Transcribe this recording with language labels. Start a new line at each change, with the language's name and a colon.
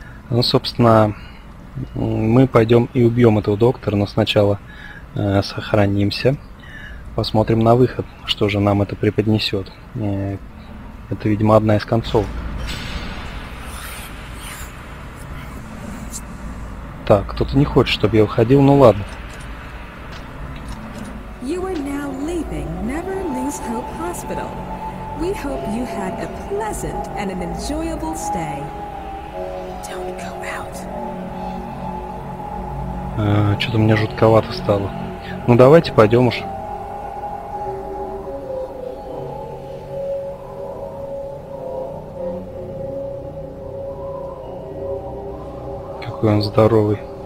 Russian: Ну, собственно, мы пойдем и убьем этого доктора, но сначала сохранимся. Посмотрим на выход, что же нам это преподнесет. Это, видимо, одна из концов. Так, кто-то не хочет, чтобы я уходил, ну ладно.
English: You are now leaving Never Lose Hope Hospital. We hope you had a pleasant and an enjoyable stay. Don't go out.
Russian: Что-то мне жутковато стало. Ну давайте пойдем уж. Какой он здоровый.